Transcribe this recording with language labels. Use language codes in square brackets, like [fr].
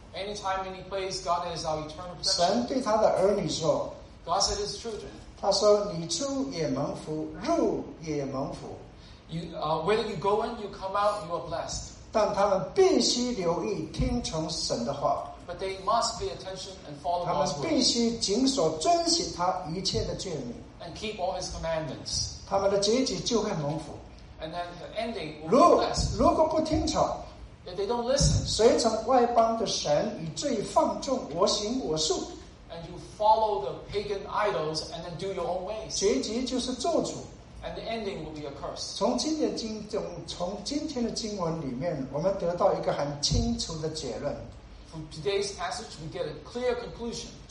[en] anytime, any place, God is our eternal protection. [zh] 神对他的儿女说, [en] God said his children, [zh] 他说你出也蒙福入也蒙福, [en] whether you go in, you come out, you are blessed. [zh] 但他们必须留意听从神的话, [en] but they must pay attention and follow God's word, and keep all his commandments. And then the ending will be blessed. If they don't listen, [zh] 随从外邦的神以罪放纵我行我素, [en] and you follow the pagan idols and then do your own ways, [zh] 结局就是咒诅, [en] and the ending will be a curse. [zh] 从今天的经文里面, 我们得到一个很清楚的结论, [en] from today's passage, we get a clear conclusion.